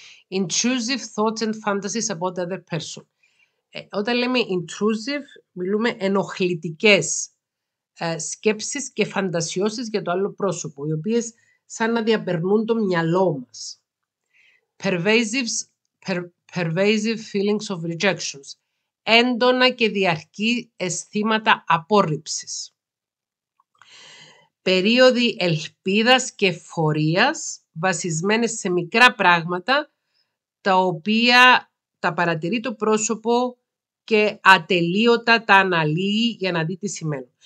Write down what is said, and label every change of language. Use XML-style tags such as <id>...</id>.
<en>intrusive thoughts and fantasies about the other person.</en> <el>Όταν λέμε intrusive, μιλούμε ενοχλητικές σκέψεις και φαντασιώσεις για το άλλο πρόσωπο, οι οποίες σαν να διαπερνούν το μυαλό μας.</el> <en>Pervasive feelings of rejections.</en> <el>Έντονα και διαρκή αισθήματα απόρριψης. Περίοδοι ελπίδας και φορείας βασισμένες σε μικρά πράγματα τα οποία τα παρατηρεί το πρόσωπο και ατελείωτα τα αναλύει για να δει τι σημαίνει.</el>